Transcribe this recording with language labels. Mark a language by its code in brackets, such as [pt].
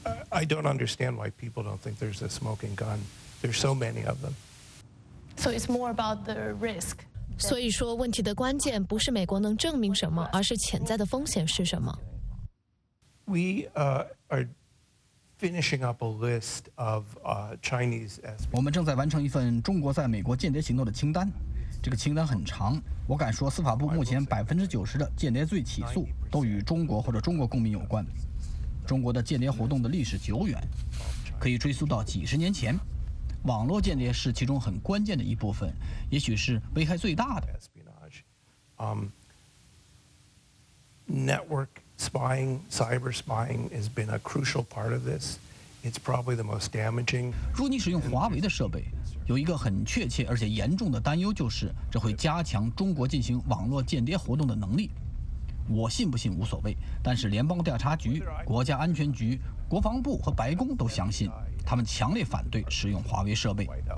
[en] I don't understand why people don't think there's a smoking gun. There's so many of them. So it's more about the risk. [zh] 所以说问题的关键不是美国能证明什么，而是潜在的风险是什么。 [en] We are finishing up a list of Chinese espionage. [zh] 我们正在完成一份中国在美国间谍行动的清单。这个清单很长，我敢说司法部目前90%的间谍罪起诉都与中国或者中国公民有关。中国的间谍活动的历史久远，可以追溯到几十年前。网络间谍是其中很关键的一部分，也许是危害最大的。 [en] Network spying, cyber spying has been a crucial part of this. It's probably the most damaging. [zh] 如果你使用华为的设备，有一个很确切而且严重的担忧，就是这会加强中国进行网络间谍活动的能力。我信不信无所谓，但是联邦调查局、国家安全局、国防部和白宫都相信，他们强烈反对使用华为设备。